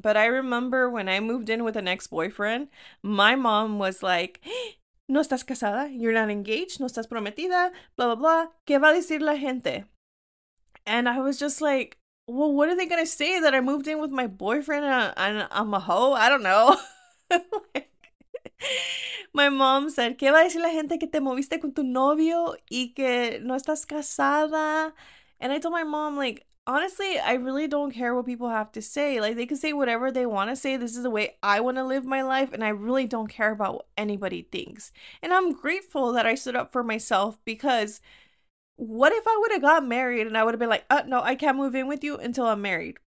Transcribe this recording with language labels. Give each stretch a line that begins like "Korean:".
English: But I remember when I moved in with an ex-boyfriend, my mom was like, hey,
Spanish: no estás casada,
English: you're not engaged,
Spanish: no estás prometida,
English: blah, blah, blah.
Spanish: ¿Qué va a decir la gente?
English: And I was just like, well, what are they going to say that I moved in with my boyfriend and I'm a hoe? I don't know. My mom said,
Spanish: ¿Qué va a decir la gente que te moviste con tu novio y que no estás casada?
English: And I told my mom, like, honestly, I really don't care what people have to say. Like, they can say whatever they want to say. This is the way I want to live my life. And I really don't care about what anybody thinks. And I'm grateful that I stood up for myself, because what if I would have got married and I would have been like, no, I can't move in with you until I'm married.